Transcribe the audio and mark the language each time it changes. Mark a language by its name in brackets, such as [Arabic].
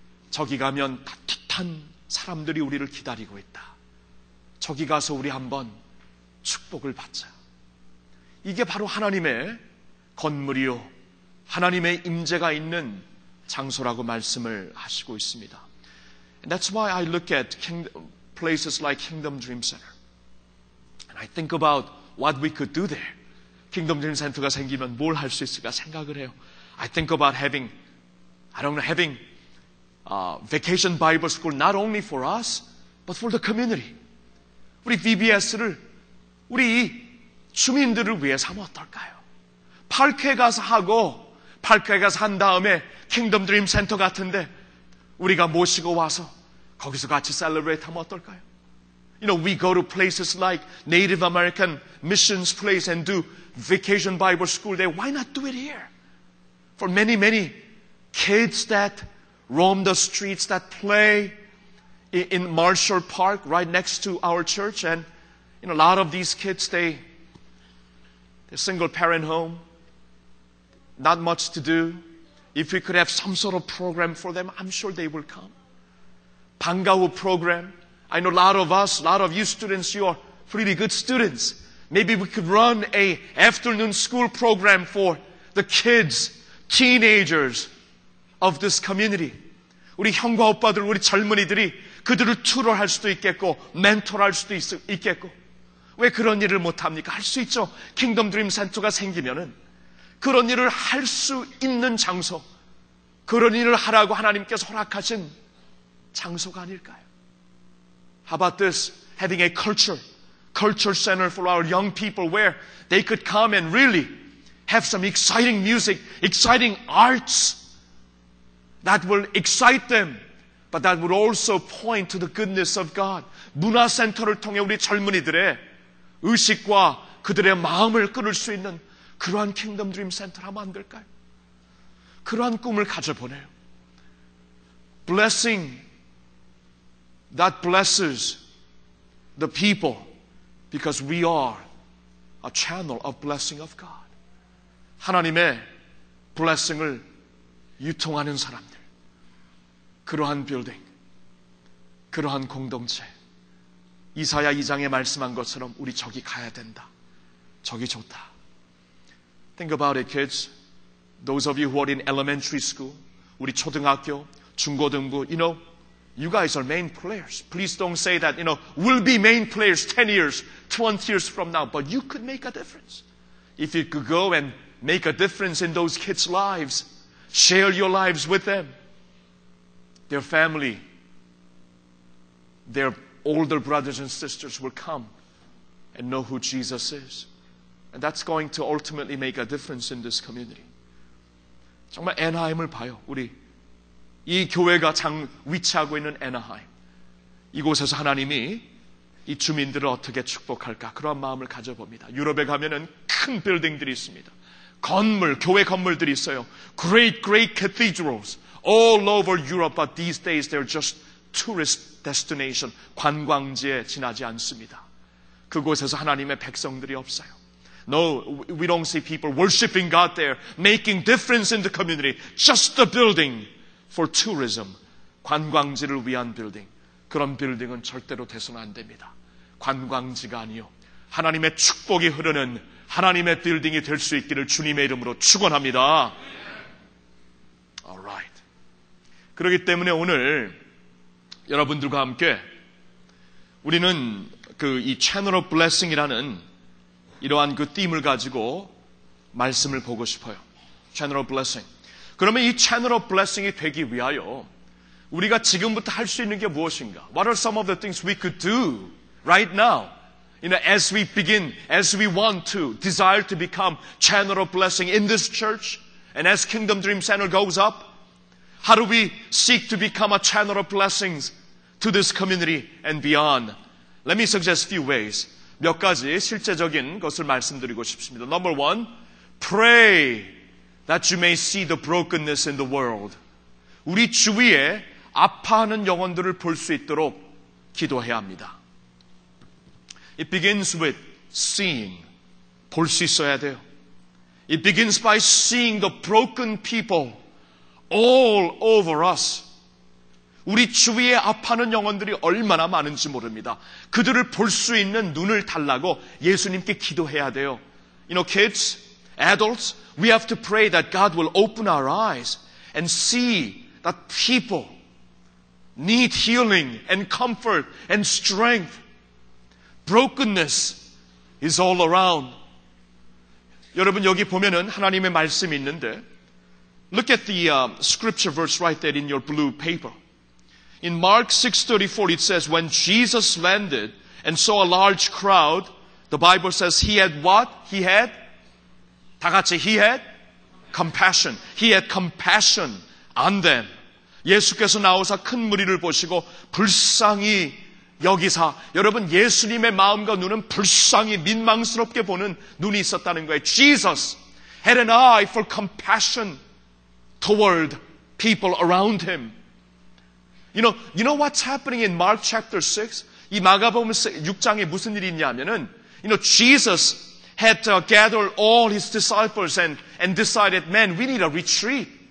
[Korean] 저기 가면 따뜻한 사람들이 우리를 기다리고 있다. 저기 가서 우리 한번 축복을 받자. 이게 바로 하나님의 건물이요 하나님의 임재가 있는 장소라고 말씀을 하시고 있습니다. [English] And that's why I look at places like Kingdom Dream Center. And I think about what we could do there. Kingdom Dream Center가 [Korean] 생기면 뭘 할 수 있을까 생각을 해요. [English] I think about having, I don't know, having a vacation Bible school not only for us, but for the community. [Korean] 우리 VBS를 우리 주민들을 위해서 하면 어떨까요? 파크에 가서 하고 파크에 가서 한 다음에 킹덤 드림 센터 같은데 우리가 모시고 와서 거기서 같이 셀러브레이트 하면 어떨까요? [English] You know, we go to places like Native American missions place and do vacation Bible school there. Why not do it here? For many, many kids that roam the streets, that play in Marshall Park right next to our church. And you know, a lot of these kids, they're single parent home. Not much to do. If we could have some sort of program for them, I'm sure they will come. 방과후 program. I know a lot of us, a lot of you students, you are pretty good students. Maybe we could run a afternoon school program for the kids, teenagers of this community. [Korean] 우리 형과 오빠들, 우리 젊은이들이 그들을 투로할 수도 있겠고, 멘토할 수도 있겠고. 왜 그런 일을 못합니까? 할 수 있죠. 킹덤 드림 센터가 생기면은 그런 일을 할 수 있는 장소, 그런 일을 하라고 하나님께서 허락하신 장소가 아닐까요? [English] How about this? Having a culture center for our young people where they could come and really have some exciting music, exciting arts that will excite them, but that would also point to the goodness of God. [Korean] 문화센터를 통해 우리 젊은이들의 의식과 그들의 마음을 끊을 수 있는 그러한 킹덤 드림 센터를 하면 안 될까요? 그러한 꿈을 가져보네요. [English] Blessing that blesses the people because we are a channel of blessing of God. [Korean] 하나님의 blessing을 유통하는 사람들. 그러한 빌딩, 그러한 공동체. 이사야 2장에 말씀한 것처럼 우리 저기 가야 된다. 저기 좋다. [English] Think about it, kids. Those of you who are in elementary school, [Korean] 우리 초등학교, 중고등부, [English] you know, you guys are main players. Please don't say that, you know, we'll be main players 10 years, 20 years from now, but you could make a difference. If you could go and make a difference in those kids' lives, share your lives with them, their family, their older brothers and sisters will come and know who Jesus is. And that's going to ultimately make a difference in this community. [Korean] 정말 애나임을 봐요, 우리. 이 교회가 위치하고 있는 애나하임. 이곳에서 하나님이 이 주민들을 어떻게 축복할까? 그런 마음을 가져봅니다. 유럽에 가면은 큰 빌딩들이 있습니다. 건물, 교회 건물들이 있어요. [English] Great, great cathedrals all over Europe, but these days they're just tourist destination. [Korean] 관광지에 지나지 않습니다. 그곳에서 하나님의 백성들이 없어요. [English] No, we don't see people worshiping God there, making difference in the community. Just the building. For tourism, [Korean] 관광지를 위한 빌딩. 그런 빌딩은 절대로 돼서는 안 됩니다. 관광지가 아니요. 하나님의 축복이 흐르는 하나님의 빌딩이 될 수 있기를 주님의 이름으로 축원합니다. Alright. 그렇기 때문에 오늘 여러분들과 함께 우리는 그 이 Channel of Blessing이라는 이러한 그 theme을 가지고 말씀을 보고 싶어요. Channel of Blessing. 그러면 이 Channel of Blessing이 되기 위하여 우리가 지금부터 할 수 있는 게 무엇인가? [English] What are some of the things we could do right now? You know, as we begin, as we want to, desire to become Channel of Blessing in this church, and as Kingdom Dream Center goes up, how do we seek to become a Channel of Blessings to this community and beyond? Let me suggest a few ways. [Korean] 몇 가지 실제적인 것을 말씀드리고 싶습니다. [English] Number one, pray that you may see the brokenness in the world. [Korean] 우리 주위에 아파하는 영혼들을 볼 수 있도록 기도해야 합니다. [English] It begins with seeing. [Korean] 볼 수 있어야 돼요. [English] It begins by seeing the broken people all over us. [Korean] 우리 주위에 아파하는 영혼들이 얼마나 많은지 모릅니다. 그들을 볼 수 있는 눈을 달라고 예수님께 기도해야 돼요. [English] You know, kids, adults, we have to pray that God will open our eyes and see that people need healing and comfort and strength. Brokenness is all around. [Korean] 여러분 여기 보면은 하나님의 말씀이 있는데 [English] Look at the scripture verse right there in your blue paper. In Mark 6:34 it says when Jesus landed and saw a large crowd, the Bible says he had what? He had [Korean] 다 같이 [English] he had compassion. He had compassion on them. [Korean] 예수께서 나오사 큰 무리를 보시고 불쌍히 여기사 여러분 예수님의 마음과 눈은 불쌍히 민망스럽게 보는 눈이 있었다는 거예요. [English] Jesus had an eye for compassion toward people around him. You know what's happening in Mark chapter 6? [Korean] 이 마가복음 6장에 무슨 일이 있냐면은 [English] you know Jesus had gathered all his disciples and decided, man, we need a retreat.